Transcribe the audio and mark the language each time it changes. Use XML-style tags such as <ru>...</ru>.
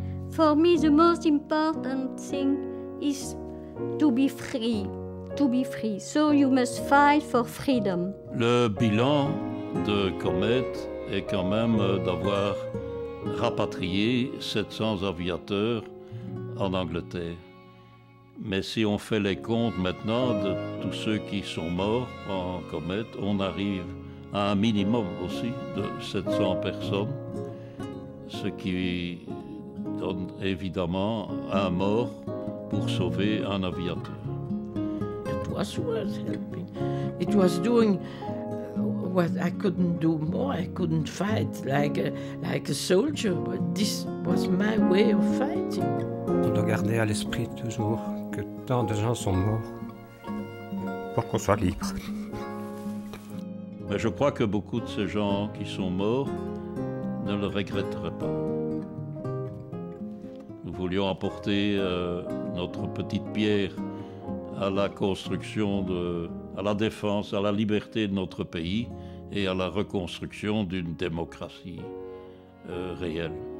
<en>For me, the most important thing is to be free, to be free. So you must fight for freedom.</en> <fr>Le bilan de Comète est quand même d'avoir rapatrié 700 aviateurs en Angleterre. Mais si on fait les comptes maintenant de tous ceux qui sont morts en comète, on arrive à un minimum aussi de 700 personnes, ce qui donne évidemment un mort pour sauver un aviateur.</fr> <en>It was worth helping. It was doing what I couldn't do more. I couldn't fight like a soldier, but this was my way of fighting.</en> <fr>On doit garder à l'esprit toujours que tant de gens sont morts pour qu'on soit libre. Mais je crois que beaucoup de ces gens qui sont morts ne le regretteraient pas. Nous voulions apporter notre petite pierre à la construction, à la défense, à la liberté de notre pays et à la reconstruction d'une démocratie réelle.</fr>